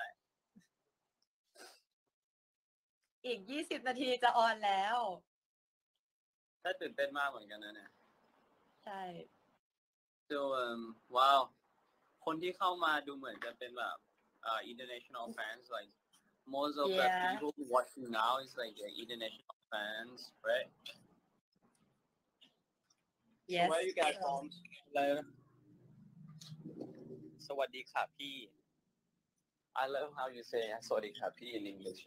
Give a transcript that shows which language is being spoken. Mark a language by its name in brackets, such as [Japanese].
[Thai] อีก20นาทีจะออนแล้ว ถ้าตื่นเต้นมากเหมือนกันนะเนี่ย ใช่ so ว้าวคนที่เข้ามาดูเหมือนจะเป็นแบบ [English] international fans like most of yeah. the people watching now is like international fans right yes so where are you guys from [Thai] สวัสดีค่ะพี่ [English] I love how you say [Thai] สวัสดีค่ะพี่ [English] in English